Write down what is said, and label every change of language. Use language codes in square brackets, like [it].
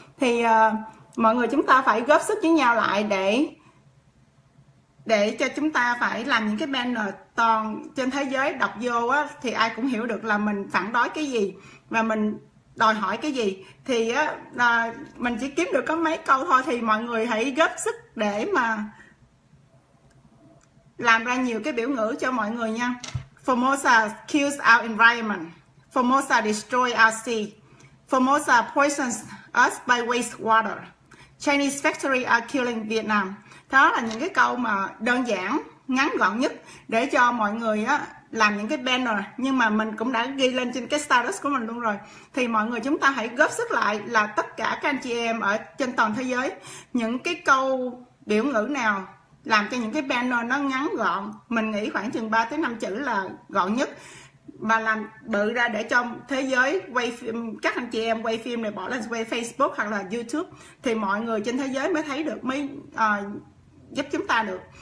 [vi] Thì mọi người chúng ta phải góp sức với nhau lại để cho chúng ta phải làm những cái banner toàn trên thế giới đọc vô á, thì ai cũng hiểu được là mình phản đối cái gì và mình đòi hỏi cái gì. Thì mình chỉ kiếm được có mấy câu thôi, thì mọi người hãy góp sức để mà làm ra nhiều cái biểu ngữ cho mọi người nha. [en] Formosa kills our environment. Formosa destroys our sea. Formosa poisons us by wastewater. Chinese factory are killing Vietnam. [vi] Đó là những cái câu mà đơn giản, ngắn gọn nhất để cho mọi người á làm những cái banner. Nhưng mà mình cũng đã ghi lên trên cái status của mình luôn rồi. Thì mọi người chúng ta hãy góp sức lại, là tất cả các anh chị em ở trên toàn thế giới, những cái câu biểu ngữ nào làm cho những cái banner nó ngắn gọn, mình nghĩ khoảng chừng 3 tới 5 chữ là gọn nhất, mà làm bự ra để cho thế giới quay phim, các anh chị em quay phim này bỏ lên Facebook hoặc là YouTube, thì mọi người trên thế giới mới thấy được, mới giúp chúng ta được.